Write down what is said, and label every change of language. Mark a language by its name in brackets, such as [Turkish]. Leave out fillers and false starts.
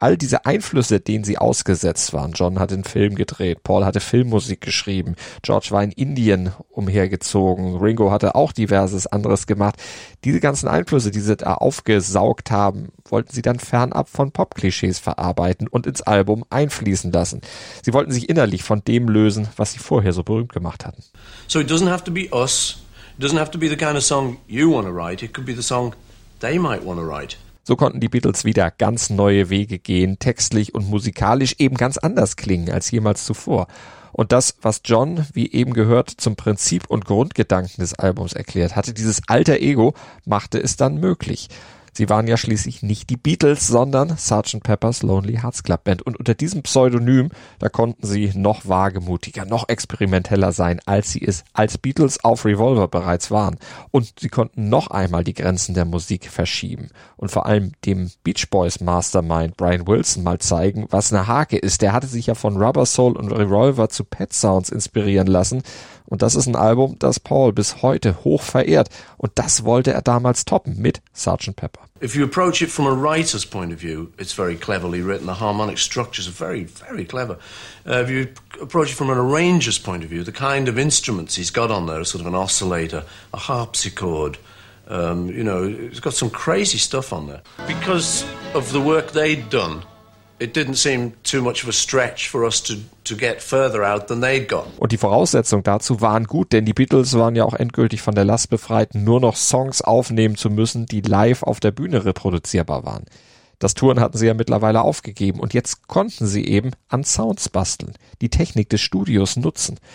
[German] All diese Einflüsse, denen sie ausgesetzt waren. John hatte einen Film gedreht, Paul hatte Filmmusik geschrieben, George war in Indien umhergezogen, Ringo hatte auch diverses anderes gemacht. Diese ganzen Einflüsse, die sie da aufgesaugt haben, wollten sie dann fernab von Pop-Klischees verarbeiten und ins Album einfließen lassen. Sie wollten sich innerlich von dem lösen, was sie vorher so berühmt gemacht hatten. [English] So it doesn't have to be us. It doesn't have to be the kind of song you want to write. It could be the song they might want to write. [German] So konnten die Beatles wieder ganz neue Wege gehen, textlich und musikalisch eben ganz anders klingen als jemals zuvor. Und das, was John, wie eben gehört, zum Prinzip und Grundgedanken des Albums erklärt hatte, dieses Alter Ego, machte es dann möglich. Sie waren ja schließlich nicht die Beatles, sondern Sgt. Pepper's Lonely Hearts Club Band. Und unter diesem Pseudonym, da konnten sie noch wagemutiger, noch experimenteller sein, als sie es als Beatles auf Revolver bereits waren. Und sie konnten noch einmal die Grenzen der Musik verschieben. Und vor allem dem Beach Boys Mastermind Brian Wilson mal zeigen, was eine Hake ist. Der hatte sich ja von Rubber Soul und Revolver zu Pet Sounds inspirieren lassen. Und das ist ein Album, das Paul bis heute hoch verehrt. Und das wollte er damals toppen mit Sgt. Pepper. [English] If you approach it from a writer's point of view, it's very cleverly written. The harmonic structures are very, very clever. If you approach it from an arranger's point of view, the kind of instruments he's got on there, sort of an oscillator, a harpsichord, you know, it's got some crazy stuff on there. Because of the work they'd done, it didn't seem too much of a stretch for us to get further out than they'd gone. [German] Und die Voraussetzungen dazu waren gut, denn die Beatles waren ja auch endgültig von der Last befreit, nur noch Songs aufnehmen zu müssen, die live auf der Bühne reproduzierbar waren. Das Touren hatten sie ja mittlerweile aufgegeben und jetzt konnten sie eben an Sounds basteln, die Technik des Studios nutzen.